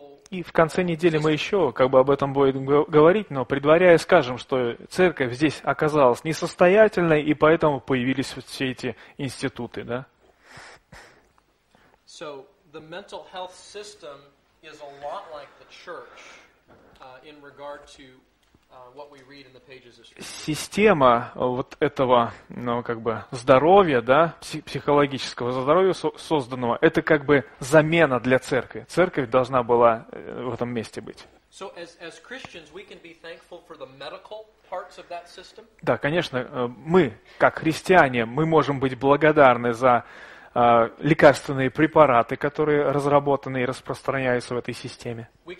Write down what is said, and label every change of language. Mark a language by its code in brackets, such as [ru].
[ru] И в конце недели мы еще как бы об этом будем говорить, но предваряя скажем, что церковь здесь оказалась несостоятельной, и поэтому появились вот все эти институты, да? [en] So, the mental health system is a lot like the church in regard to what we read in the pages of scripture. [ru] Система вот этого, ну, как бы, здоровья, да, психологического здоровья созданного, это как бы замена для церкви. Церковь должна была в этом месте быть. [en] So, as Christians, we can be thankful for the medical parts of that system. [ru] Да, конечно, мы, как христиане, мы можем быть благодарны за лекарственные препараты, которые разработаны и распространяются в этой системе.